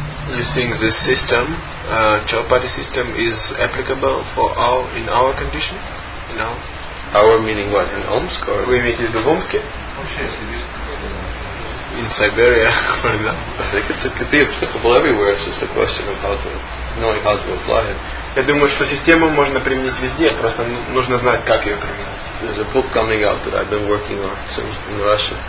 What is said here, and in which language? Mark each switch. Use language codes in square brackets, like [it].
[en] You think this system, Chaupati system, is applicable for our in our condition? In our meaning what? In Omsk or we meet in Omsk? In Siberia, for example. I think it could be applicable everywhere. It's just a question of how to knowing how to apply it. [ru] Я думаю, что систему можно применить везде, просто нужно знать, как ее применить. [en] There's a book coming out that I've been working on in Russia.